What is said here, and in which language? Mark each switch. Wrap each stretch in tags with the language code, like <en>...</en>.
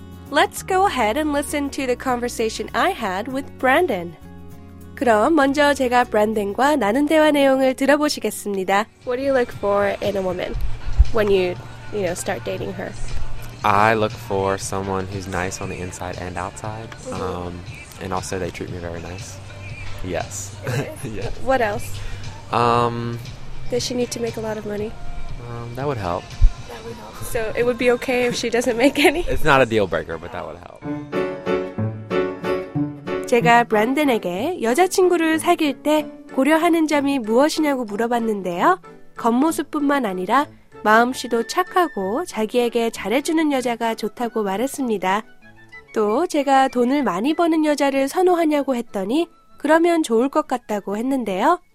<en>Let's go ahead and listen to the conversation I had with Brandon.</en> <ko>그럼 먼저 제가 브랜든과 나눈 대화 내용을 들어보시겠습니다.</ko> <en>What do you look for in a woman when you start dating her? I look for someone who's nice on the inside and outside. Mm-hmm. And also they treat me very nice. Yes. Yes. What else? Does she need to make a lot of money? That would help. So it would be okay if she doesn't make any? It's not a deal breaker, but that would help.</en> <ko>제가 브랜든에게 여자친구를 사귈 때 고려하는 점이 무엇이냐고 물어봤는데요. 겉모습뿐만 아니라 마음씨도 착하고 자기에게 잘해주는 여자가 좋다고 말했습니다. 또 제가 돈을 많이 버는 여자를 선호하냐고 했더니 그러면 좋을 것 같다고 했는데요.</ko>